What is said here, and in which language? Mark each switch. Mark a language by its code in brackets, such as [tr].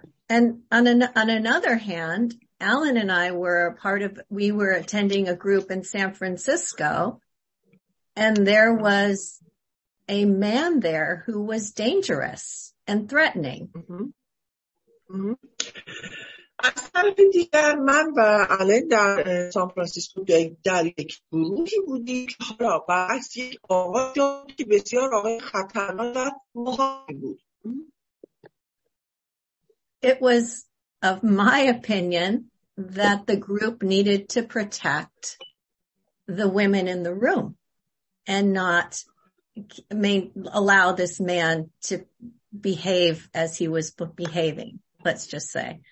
[en] And on another hand, Alan and I were we were attending a group in San Francisco, and there was a man there who was dangerous and threatening. [fa] از طرف دیگر من و آلن در سان فرانسیسکو در یک گروهی بودیم که حالا بعضی آقای که بسیار آقای خطرناک و مخاطب بود. [en] It was of my opinion that the group needed to protect the women in the room and not allow this man to behave as he was behaving, let's just say.